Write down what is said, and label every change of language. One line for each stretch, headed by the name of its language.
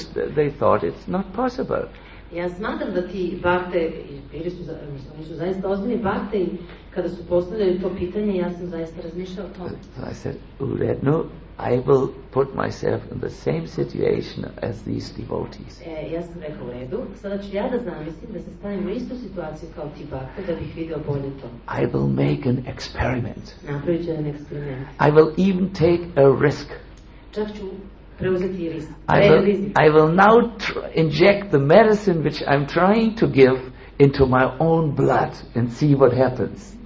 English: This, they thought it's not possible.
Serbian: Ja smatram da ti bhakte, oni su zaista ozbiljni bhakte, i kada su postavljali to pitanje, ja sam zaista razmišljao o tome.
English: I said,
Serbian: Uredno,
English: I will put myself in the same situation as these devotees.
Serbian: Ja sam rekao, Uredu, sada ću ja da zamislim da se stavim u istu situaciju kao ti bhakte, da bih vidio bolje to.
English: I will make an experiment.
Serbian: Napravit ću jedan eksperiment.
English: I will even take a risk.
Serbian: Čak ću preuzeti risk.
English: I will now inject the medicine which I'm trying to give into my own blood and see what happens.